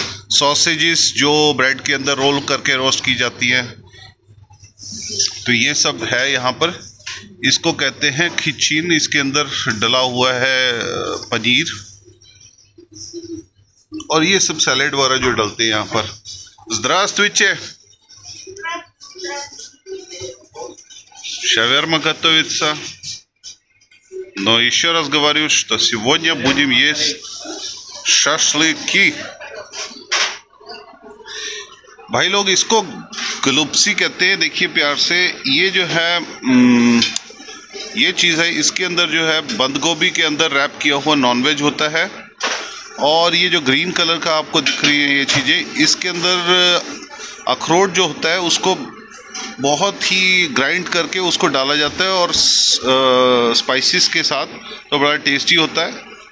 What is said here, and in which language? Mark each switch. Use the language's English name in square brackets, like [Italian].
[Hindi] Sausages, जो bread के अंदर रोल करके रोस्ट की जाती हैं, तो ये सब है यहाँ पर। इसको कहते हैं खिचीन, इसके अंदर डला हुआ है पनीर, और ये सब सलाद वगैरह जो डलते हैं यहाँ पर। [Russian] Здравствуйте! Шаверма готовится, но еще раз говорю, что сегодня будем есть шашлыки. [Hindi] भाई लोग इसको गलुप्सी कहते हैं देखिए प्यार से ये जो है ये चीज है इसके अंदर जो है बंद गोभी के अंदर रैप किया हुआ नॉनवेज होता है और ये जो ग्रीन कलर का आपको दिख रही है ये चीजें इसके अंदर अखरोट जो होता है उसको बहुत ही ग्राइंड करके उसको डाला जाता है और स्पाइसेस के साथ तो बड़ा टेस्टी होता है